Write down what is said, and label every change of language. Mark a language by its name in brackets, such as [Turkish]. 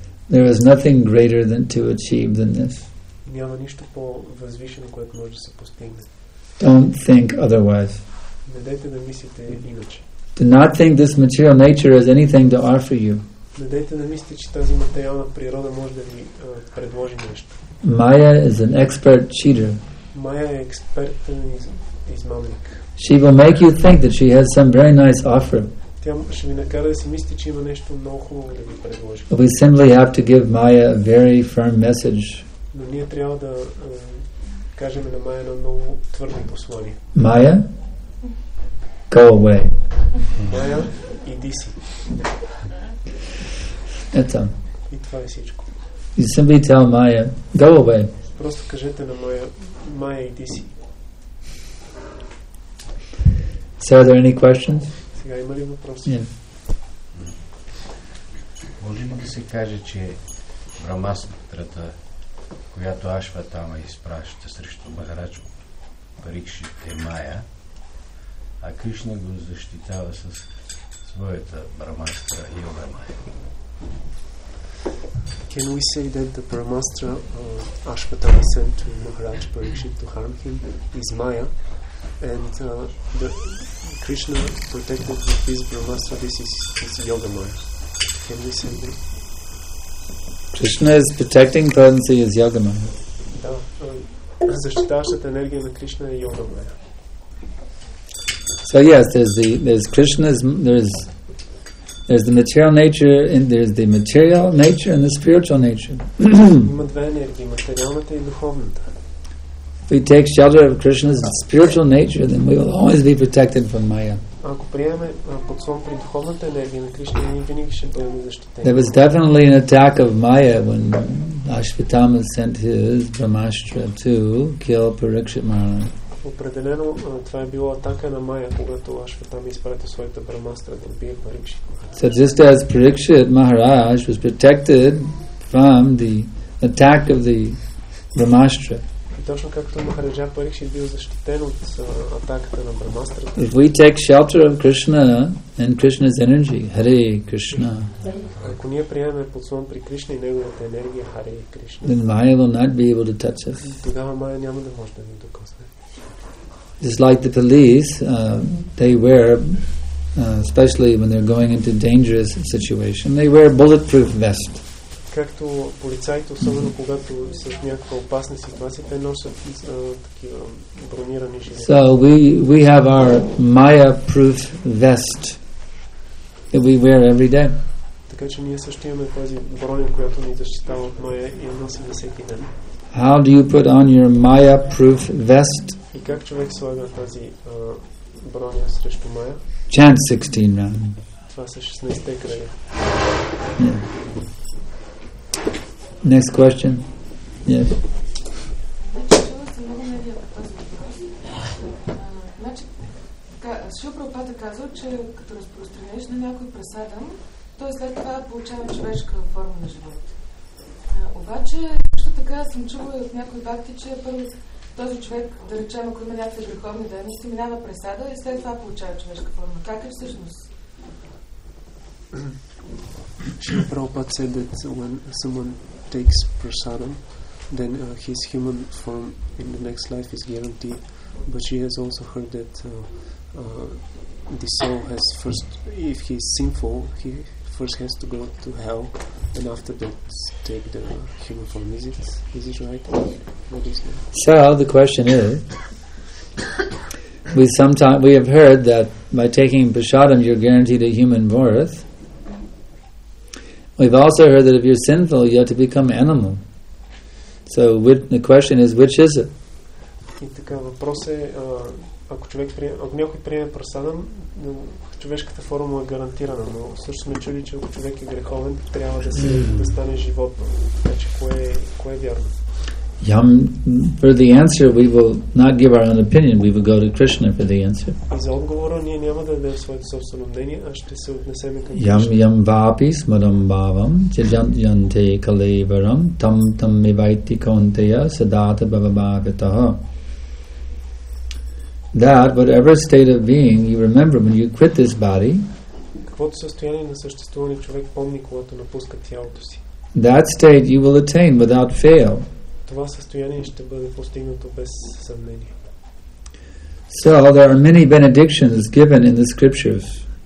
[English] There is nothing greater than to achieve than this. [Bulgarian] Няма нищо по-възвишено, което може да се постигне. [English] Don't think otherwise. [Bulgarian] Не дейте да мислите иначе. [English] Do not think this material nature has anything to offer you. [Bulgarian] Не дейте да мислите, че тази материална природа може да ви предложи нещо. [English] Maya is an expert cheater. [Bulgarian] Maya е експертен измамник. [English] She will make you think that she has some very nice offer. [Bulgarian] Тя ще ви накара да си мисли, че има нещо много хубаво да ви предложи. [English] But we simply have to give Maya a very firm message. [Bulgarian] Но ние трябва да кажем на Maya едно много твърдо послание. [English] Maya, go away. [Bulgarian] Maya, иди си. Ето. И това е всичко. [English] You simply tell Maya, go away. [Bulgarian] Просто кажете на Майя и Диси. [English] So are there any questions? [Bulgarian] Сега има ли въпроси? Може ли да се каже, че Брамастрата, която Ашватама изпраща срещу Махарадж Парикшит, е Майя, а Кришна го защитава с своята Брамастра Йога Майя? [English] Can we say that the Brahmastra Ashvatthama sent to Maharaj Parikshit to harm him is Maya, and the Krishna protected with his Brahmastra, this is Yoga Maya? Can we say that? Krishna is protecting potency is Yoga Maya. [Bulgarian] Да, защитаващата енергия на Кришна е Йога Майя. [English] So yes, there's Krishna's, there's the material nature and there's the material nature and the spiritual nature. [Bulgarian] Има две енергии, материалната и духовната. [English] If we take shelter of Krishna's spiritual nature, then we will always be protected from Maya. [Bulgarian] Ако приемем подслон при духовната енергия на Кришна, ние винаги ще бъдем защитени. [English] There was definitely an attack of Maya when Ashvatthama sent his Brahmastra to kill Parikshit Maharaj. [Bulgarian] Определено това е било атака на Майя, когато Ашватама изпрати своята Брамастра да убие Парикшит Махарадж. [English] So just as Парикшит Махарадж was protected from the attack of the Брамастра. [Bulgarian] И точно както Махараджа Парикшит бил защитен от атаката на Брамастра. [English] If we take shelter of Krishna and Krishna's energy, Hare Krishna. [Bulgarian] Ако ние приемем подслон при Кришна и неговата енергия, Hare Krishna. [English] Then Maya will not be able to touch us. [Bulgarian] Тогава Майя няма да може да ни докосне. [English] It's like the police, they wear, especially when they're going into dangerous situation, they wear a bulletproof vest. [Bulgarian] Както полицаите, особено когато са в някаква опасна ситуация, те носят такива бронирани жилети. [English] So we have our Maya-proof vest that we wear every day. [Bulgarian] Така че ние също имаме тази броня, която ни защитава от Майя и я носим всеки ден. [English] How do you put on your Maya-proof vest? [Bulgarian] И как човек слага тази броня срещу Майя? [English] Chant 16 round. [Bulgarian] Това са 16-те кръга. [English] Next question. Yes. [Bulgarian] Значи, чула съм много медиа по този въпрос. Значи, Шрила Прабхупада казва, че като разпространяваш на някой прасада, той след това получава човешка форма на живот. Обаче, също така съм чувала от някои бхакти, че първо този човек, да речем, ако има някакви греховни дейности, минава пресада и след това получава човешка форма. Как е всъщност? [English] Шрила Прабхупада said that when someone takes prasadam, then his human form in the next life is guaranteed. But she has also heard that the soul has first, if he is sinful, he first has to go to hell and after that take the human form. Is it? Is it right? What is it? So the question is, we have heard that by taking prasadam you're guaranteed a human birth. We've also heard that if you're sinful, you have to become animal. So the question is, which is it? [Bulgarian] И така, въпрос е, ако човек приеме прасадам, човешката форма е гарантирана, но също сме чули, че ако човек е греховен, трябва да се да стане животно. Значи, кое е вярно? [English] Yeah, for the answer, we will not give our own opinion. We will go to Krishna for the answer. [Bulgarian] За отговора ние няма да дадем своето собствено мнение, а ще се отнесем към Кришна. [Sanskrit] Yam yam vapi smaram bhavam jajante kalevaram tam tam mivaiti kaunteya sadata bhavabhagatah. [English] That whatever state of being you remember when you quit this body, [Bulgarian] каквото състояние на съществуване човек помни, когато напуска тялото си, [English] that state you will attain without fail. [Bulgarian] Това състояние ще бъде постигнато без съмнение. [English] So there are many benedictions given in the scriptures.